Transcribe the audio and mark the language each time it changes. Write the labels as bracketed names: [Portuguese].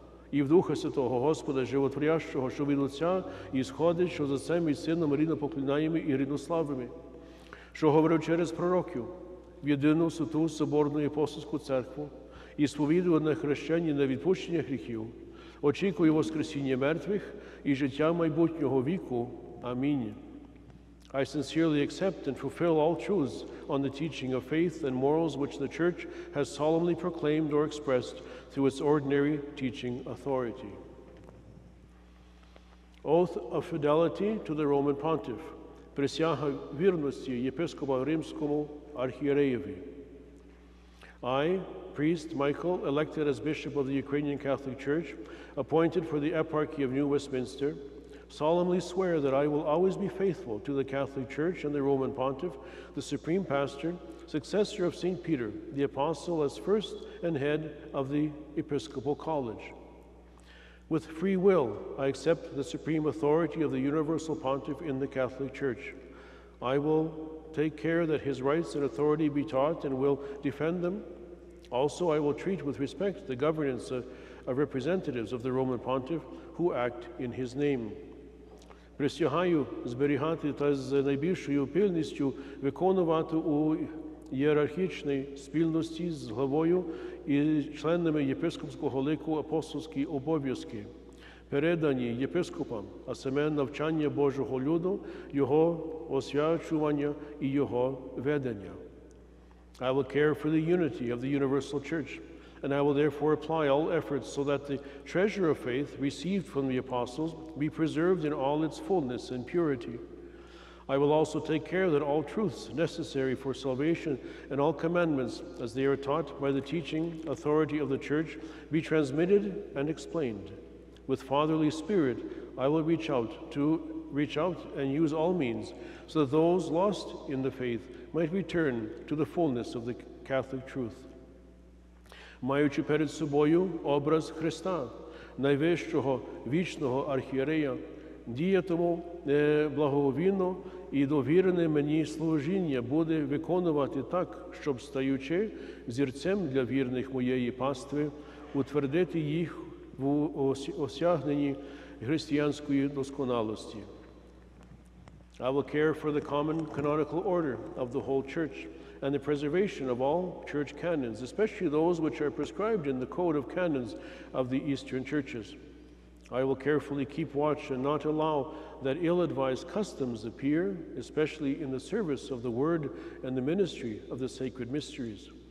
[Ukrainian] І в Духа Святого Господа, животворящого, що від Отця, і сходить, що за Цим і Сином рідопоклінаємо і ріднославими, що говорив через пророків, в єдину святу соборну і апостольську церкву, і сповідує на хрещення і на відпущення гріхів, очікує воскресіння мертвих і життя майбутнього віку. Амінь. [English] I sincerely accept and fulfill all truths on the teaching of faith and morals which the Church has solemnly proclaimed or expressed through its ordinary teaching authority. Oath of fidelity to the Roman Pontiff. [Ukrainian] Присяга вірності єпископа римському архієреєві. [English] I, priest Michael, elected as bishop of the Ukrainian Catholic Church, appointed for the Eparchy of Nью-Вестмінстер, solemnly swear that I will always be faithful to the Catholic Church and the Roman Pontiff, the Supreme Pastor, successor of St. Peter, the Apostle, as first and head of the Episcopal College. With free will, I accept the supreme authority of the Universal Pontiff in the Catholic Church. I will take care that his rights and authority be taught and will defend them. Also, I will treat with respect the governance of representatives of the Roman Pontiff who act in his name. [Ukrainian] Присягаю зберігати та з найбільшою пильністю виконувати у ієрархічній спільності з главою і членами єпископського лику апостольські обов'язки, передані єпископам, а саме навчання Божого люду, його освячування і його ведення. [English] I will care for the unity of the Universal Church, and I will therefore apply all efforts so that the treasure of faith received from the apostles be preserved in all its fullness and purity. I will also take care that all truths necessary for salvation and all commandments, as they are taught by the teaching authority of the Church, be transmitted and explained. With fatherly spirit, I will reach out and use all means so that those lost in the faith might return to the fullness of the Catholic truth. [Ukrainian] Маючи перед собою образ Христа, найвищого вічного архієрея, діятиму благовійно і довірене мені служіння буде виконувати так, щоб, стаючи зірцем для вірних моєї пастви, утвердити їх в осягненні християнської досконалості. [English] I will care for the common canonical order of the whole Church and the preservation of all Church canons, especially those which are prescribed in the Code of Canons of the Eastern Churches. I will carefully keep watch and not allow that ill-advised customs appear, especially in the service of the Word and the ministry of the sacred mysteries.